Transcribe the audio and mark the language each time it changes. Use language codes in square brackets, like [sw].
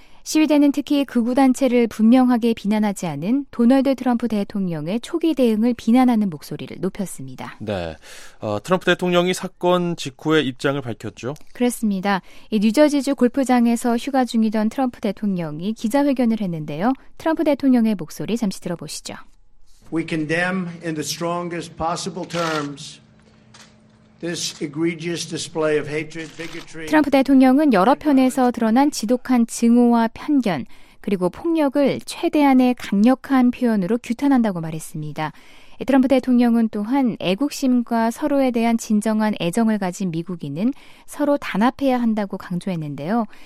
[ko] 시위대는 특히 극우단체를 분명하게 비난하지 않은 도널드 트럼프 대통령의 초기 대응을 비난하는 목소리를 높였습니다. 네, 트럼프 대통령이 사건 직후에 입장을 밝혔죠? 그렇습니다. 이 뉴저지주 골프장에서 휴가 중이던 트럼프 대통령이 기자회견을 했는데요. 트럼프 대통령의 목소리 잠시 들어보시죠. [en] We condemn in the strongest possible terms this egregious display of hatred, bigotry. [ko] 트럼프 대통령은 여러 편에서 드러난 지독한 증오와 편견 그리고 폭력을 최대한의 강력한 표현으로 규탄한다고 말했습니다. 트럼프 대통령은 또한 애국심과 서로에 대한 진정한 애정을 가진 미국인은 서로 단합해야 한다고 강조했는데요.